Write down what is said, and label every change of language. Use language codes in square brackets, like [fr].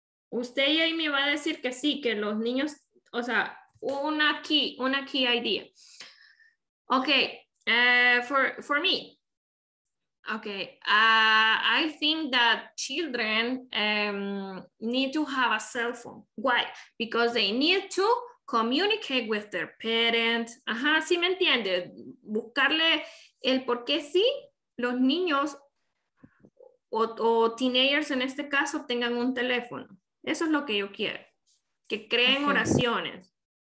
[es] Usted y ahí me va a decir que sí, que los niños, o sea, una key idea. [en] Okay, for me. Okay, I think that children need to have a cell phone. Why? Because they need to communicate with their parents. [es] Ajá, ¿sí me entiende? Buscarle el por qué sí los niños o teenagers en este caso tengan un teléfono. Eso es lo que yo quiero, que creen oraciones.